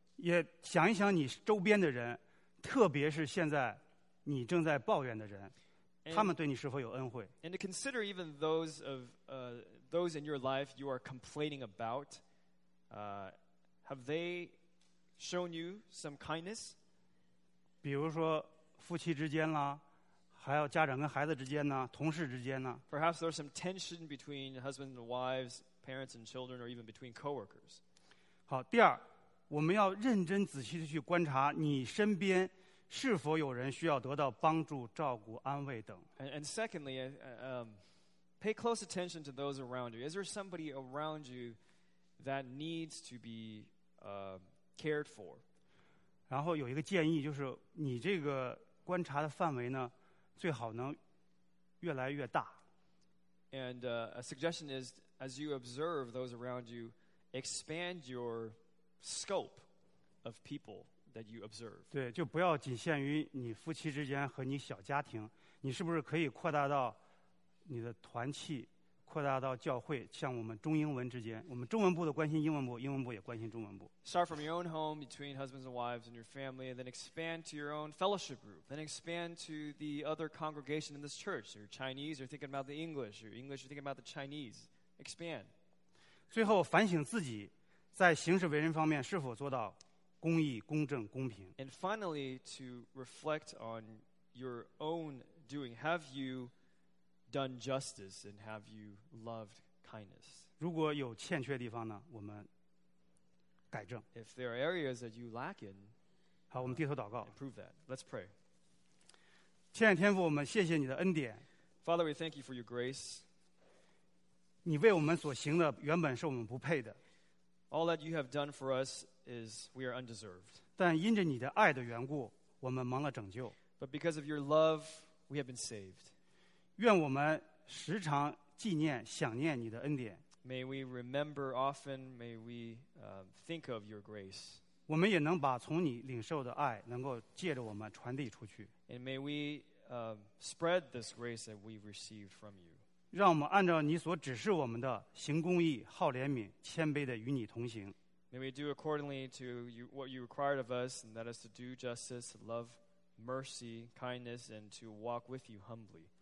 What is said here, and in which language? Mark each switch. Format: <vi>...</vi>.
<zh>也想一想你周边的人，特别是现在你正在抱怨的人，他们对你是否有恩惠</zh> <en>？And to consider even those of those in your life you are complaining about, have they shown you some kindness?</en> <zh>比如说夫妻之间啦，还有家长跟孩子之间呢，同事之间呢。</zh> <en>Perhaps there's some tension between husbands and wives, parents and children, or even between coworkers.</en> <zh>好，第二，我们要认真仔细地去观察你身边是否有人需要得到帮助、照顾、安慰等。</zh> <en>And secondly, pay close attention to those around you. Is there somebody around you that needs to be cared for?</en> <zh>然后有一个建议，就是你这个观察的范围呢，最好能越来越大。</zh> <en>And a suggestion is, as you observe those around you, expand your scope of people that you observe.</en> <zh>对，就不要仅限于你夫妻之间和你小家庭，你是不是可以扩大到你的团契，扩大到教会，像我们中英文之间，我们中文部的关心英文部，英文部也关心中文部。</zh> <en>Start from your own home between husbands and wives and your family, and then expand to your own fellowship group, then expand to the other congregation in this church. You're Chinese, you're thinking about the English, you're English, you're thinking about the Chinese. Expand.</en> <zh>最后反省自己在行事为人方面是否做到公义、公正、公平。</zh> <en>And finally, to reflect on your own doing. Have you done justice and have you loved kindness?</en> <zh>如果有欠缺的地方呢，我们改正。</zh> <en>If there are areas that you lack in,</en> <zh>好，我们低头祷告。</zh> <en>Improve that. Let's pray.</en> <zh>亲爱的天父，我们谢谢你的恩典。</zh> <en>Father, we thank you for your grace.</en> <zh>你为我们所行的原本是我们不配的。</zh> <en>All that you have done for us is we are undeserved.</en> <zh>但因着你的爱的缘故，我们蒙了拯救。</zh> <en>But because of your love, we have been saved.</en> <zh>愿我们时常纪念、想念你的恩典。</zh> <en>May we remember often, may we think of your grace.</en> <zh>我们也能把从你领受的爱能够借着我们传递出去。</zh> <en>And may we spread this grace that we've received from you.</en> <zh>让我们按照你所指示我们的行公义、好怜悯、谦卑的与你同行。</zh> <en>May we do accordingly to you, what you required of us, and that is to do justice, love, mercy, kindness, and to walk with you humbly.</en>